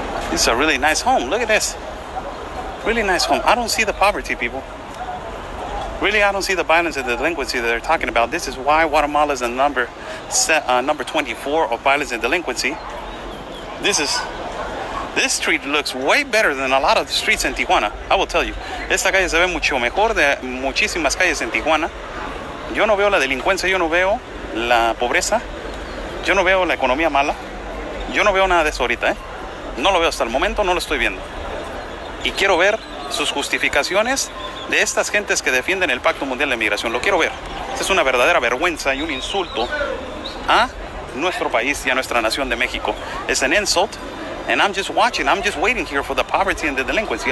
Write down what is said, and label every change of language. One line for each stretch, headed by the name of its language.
English: This is a really nice home. Look at this. Really nice home. I don't see the poverty, people. Really, I don't see the violence and the delinquency that they're talking about. This is why Guatemala is the number 24 of violence and delinquency. This street looks way better than a lot of the streets in Tijuana. I will tell you.
Spanish: Esta calle se ve mucho mejor de muchísimas calles en Tijuana. Yo no veo la delincuencia. Yo no veo la pobreza. Yo no veo la economía mala. Yo no veo nada de eso ahorita, ¿eh? No lo veo hasta el momento. No lo estoy viendo. Y quiero ver sus justificaciones de estas gentes que defienden el Pacto Mundial de Migración. Lo quiero ver. Es una verdadera vergüenza y un insulto a nuestro país y a nuestra nación de México. Es un
English: insult. And I'm just watching. I'm just waiting here for the poverty and the delinquency.